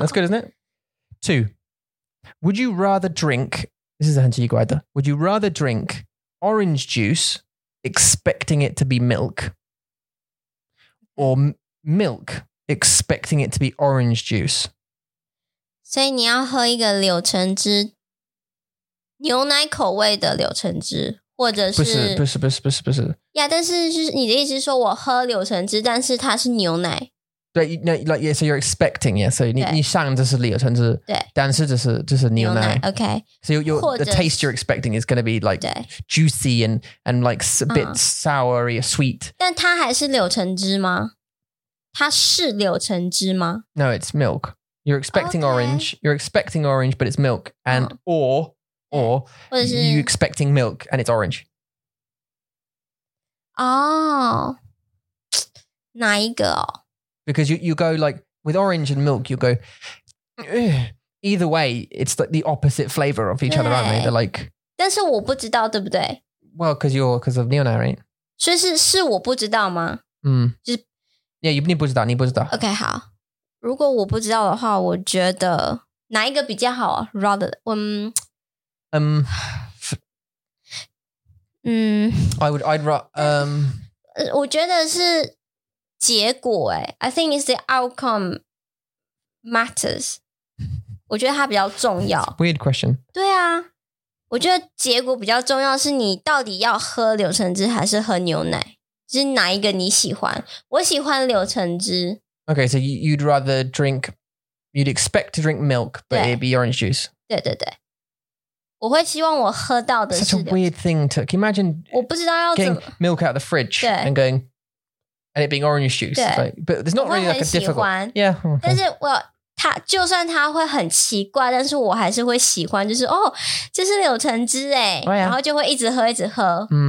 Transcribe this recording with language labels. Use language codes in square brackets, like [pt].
[en] That's good, isn't it? Two. Would you rather drink, this is [zh] 很奇怪的 [en] would you rather drink orange juice expecting it to be milk or milk expecting it to be orange juice? [zh] 所以你要喝一个柳橙汁牛奶口味的柳橙汁或者是不是呀、yeah, 但是就是你的意思是说我喝柳橙汁但是它是牛奶 [en] 对 you know, like, yeah, so you're expecting yeah, so [zh] 你想这是柳橙汁对但是这是牛奶 [en] OK so the taste you're expecting is going to be like juicy and like a bit soury or sweet [zh] 但它还是柳橙汁吗它是柳橙汁吗 [en] No it's milk you're expecting、okay. orange you're expecting orange but it's milk and、or Or you expecting milk and it's orange? [zh] Oh, 哪一个、哦、 [en] Because you go like, with orange and milk, you go, either way, it's like the opposite flavor of each other, aren't they? They're like... [zh] 但是我不知道对不对 [en] Well, because of Neonai, right? [zh] 所以是我不知道吗、就是、 Yeah, 你不知道。 Okay, 好。如果我不知道的话,我觉得哪一个比较好 Rather, [en] I'd [zh] 我觉得是结果诶 [en] I think it's the outcome matters [zh] 我觉得它比较重要 [en] Weird question [zh] 对啊我觉得结果比较重要是你到底要喝柳橙汁还是喝牛奶是哪一个你喜欢我喜欢柳橙汁 [en] Okay, so you'd rather drink You'd expect to drink milk But it'd be orange juice [zh] 对对对我会希望我喝到的是 [en] Such a weird thing to Can you imagine [zh] 我不知道要怎么 [en] Getting milk out of the fridge And going and it being orange juice. It's like, but there's not really like a difficult. Yeah. Okay. [zh] 但是就算它会很奇怪，但是我还是会喜欢，就是哦，这是柳橙汁耶。 [en] Oh, yeah. [zh] 然后就会一直喝，一直喝。